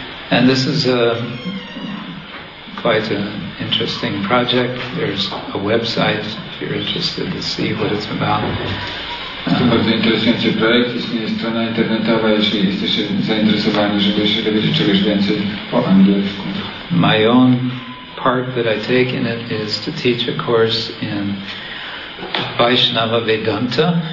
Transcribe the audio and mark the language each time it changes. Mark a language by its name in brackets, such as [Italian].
[English] And this is quite an interesting project. There's a website if you're interested to see what it's about. [Polish] To bardzo interesujący projekt. Istnieje strona internetowa, jeśli jesteście zainteresowani, żeby się dowiedzieć czegoś więcej po angielsku. [English] My own part that I take in it is to teach a course in Vaishnava Vedanta.